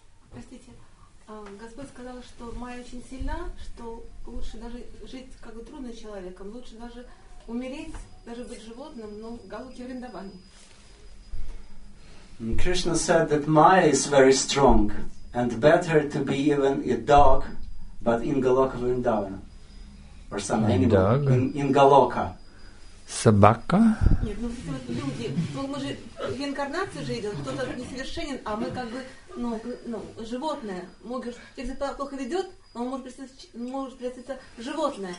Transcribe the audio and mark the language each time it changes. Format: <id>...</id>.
<ru>Простите, Господь сказал, что майя очень сильна, что лучше даже жить как бы трудно человеком, лучше даже умереть, даже быть животным, но галуки Вриндаване.</ru> <en>Krishna said that майя is very strong and better to be even a dog, but in Galoka Vrindavana. Or some animal. Dog. In Galoka.</en> <ru>Собака? Нет, ну вот люди, ну, мы же в инкарнации же идем, кто-то несовершенен, а мы как бы, ну животное. Может, если кто-то плохо ведет, он может превратиться в животное.</ru>